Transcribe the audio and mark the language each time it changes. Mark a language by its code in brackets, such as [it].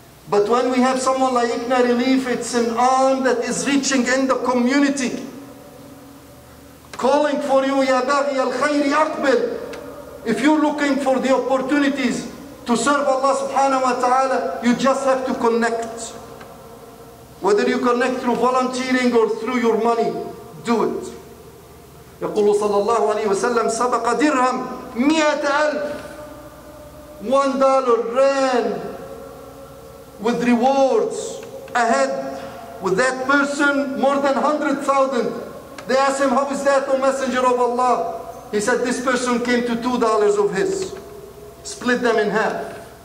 [en] But when we have someone like Ikna Relief, it's an arm that is reaching in the community, calling for you, [ar] Ya Baghi Al-Khayri Aqbil. [en] If you're looking for the opportunities to serve Allah subhanahu wa ta'ala, you just have to connect. Whether you connect through volunteering or through your money, do it. [ar] يقول صلى الله عليه وسلم سبق درهم 100,000. [en] $1 ran with rewards ahead with that person, more than 100,000. They asked him, how is that, O Messenger of Allah? He said, this person came to $2 of his, split them in half.